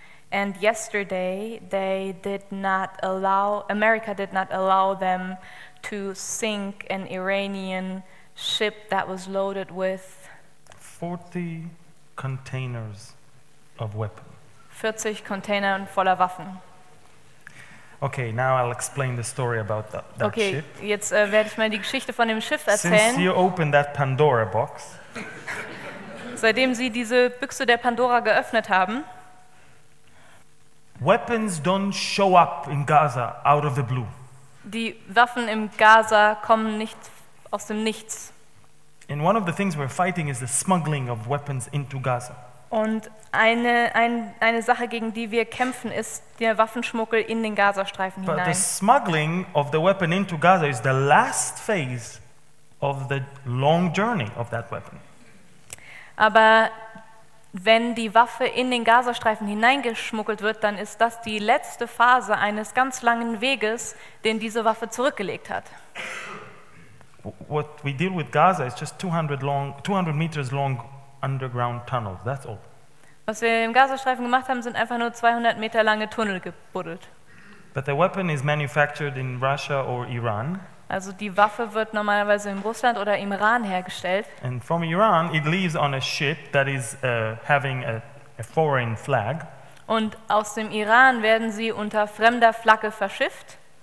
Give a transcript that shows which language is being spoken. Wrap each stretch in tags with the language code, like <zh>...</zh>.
<en>And yesterday, America did not allow them to sink an Iranian ship that was loaded with 40 containers of weapons.</en> <de>40 Container voller Waffen.</de> <en>Okay, now I'll explain the story about that okay, ship.</en> <de>Okay, jetzt werde ich mal die Geschichte von dem Schiff erzählen.</de> <en>Since you opened that Pandora box.</en> <de>Seitdem Sie diese Büchse der Pandora geöffnet haben.</de> <en>Weapons don't show up in Gaza out of the blue.</en> <de>Die Waffen im Gaza kommen nicht aus dem Nichts.</de> <en>And one of the things we're fighting is the smuggling of weapons into Gaza.</en> <de>Und eine Sache, gegen die wir kämpfen, ist der Waffenschmuggel in den Gazastreifen hinein.</de> <en>But the smuggling of the weapon into Gaza is the last phase of the long journey of that weapon.</en> <de>Aber wenn die Waffe in den Gazastreifen hineingeschmuggelt wird, dann ist das die letzte Phase eines ganz langen Weges, den diese Waffe zurückgelegt hat.</de> <en>What we deal with Gaza is just 200 meters long underground tunnels. That's all.</en> <de>Was wir im Gazastreifen gemacht haben, sind einfach nur 200 Meter lange Tunnel gebuddelt.</de> <en>But the weapon is manufactured in Russia or Iran.</en> <de>Also die Waffe wird normalerweise in Russland oder im Iran hergestellt.</de> <en>And from Iran, it leaves on a ship that is having a foreign flag.</en> <de>Und aus dem Iran werden sie unter fremder Flagge verschifft.</de>